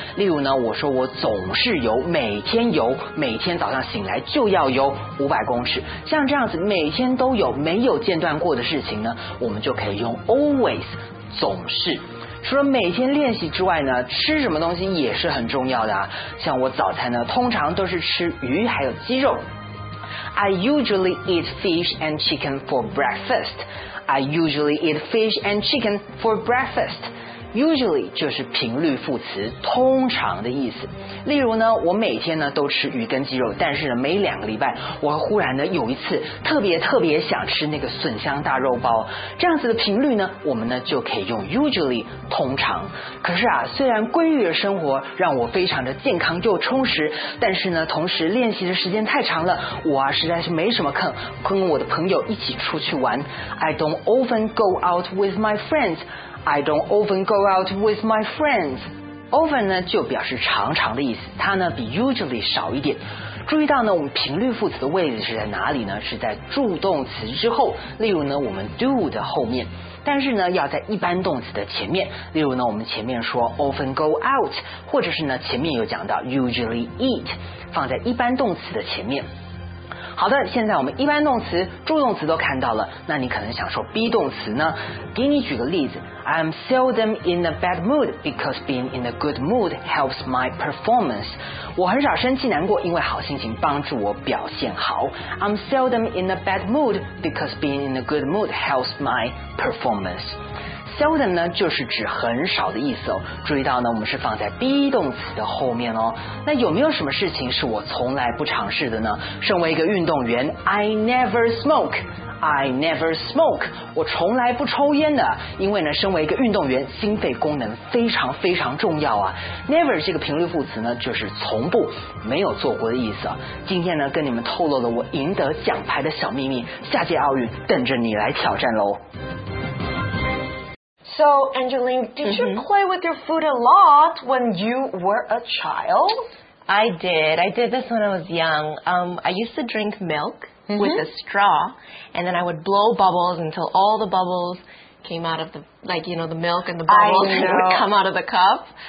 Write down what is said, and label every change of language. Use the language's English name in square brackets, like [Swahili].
[Chinese] 例如呢，我说我总是游，每天游，每天早上醒来就要游500公尺。像这样子每天都有没有间断过的事情呢，我们就可以用 always 总是。除了每天练习之外呢，吃什么东西也是很重要的啊。像我早餐呢，通常都是吃鱼还有鸡肉。 [English] I usually eat fish and chicken for breakfast. I usually eat fish and chicken for breakfast. [Chinese] Usually 就是频率副词，通常的意思。例如呢，我每天呢都吃鱼跟鸡肉，但是呢每两个礼拜，我忽然呢有一次特别特别想吃那个笋香大肉包。这样子的频率呢，我们呢就可以用 usually 通常。可是啊，虽然规律的生活让我非常的健康又充实，但是呢同时练习的时间太长了，我啊实在是没什么空跟我的朋友一起出去玩。 [English] I don't often go out with my friends. I don't often go out with my friends. [Chinese] Often 呢就表示常常的意思，它呢比 usually 少一点。注意到呢，我们频率副词的位置是在哪里呢？是在助动词之后，例如呢我们 do 的后面，但是呢要在一般动词的前面。例如呢我们前面说 often go out， 或者是呢前面有讲到 usually eat， 放在一般动词的前面。好的，现在我们一般动词助动词都看到了，那你可能想说 be 动词呢，给你举个例子， [English] I'm seldom in a bad mood because being in a good mood helps my performance. [Chinese] 我很少生气难过，因为好心情帮助我表现好。 [English] I'm seldom in a bad mood because being in a good mood helps my performance. [Chinese] Seldom 呢就是指很少的意思哦。注意到呢我们是放在 be 动词的后面哦。那有没有什么事情是我从来不尝试的呢？身为一个运动员， [English] I never smoke. I never smoke. [Chinese] 我从来不抽烟的，因为呢身为一个运动员心肺功能非常非常重要啊。 Never 这个频率副词呢就是从不，没有做过的意思啊。今天呢跟你们透露了我赢得奖牌的小秘密，下届奥运等着你来挑战咯。 [English] So, Angeline, did you play with your food a lot when you were a child? I did. I did this when I was young. I used to drink milk with a straw, and then I would blow bubbles until all the bubbles came out of the, like, you know, the milk and the bubbles would come out of the cup.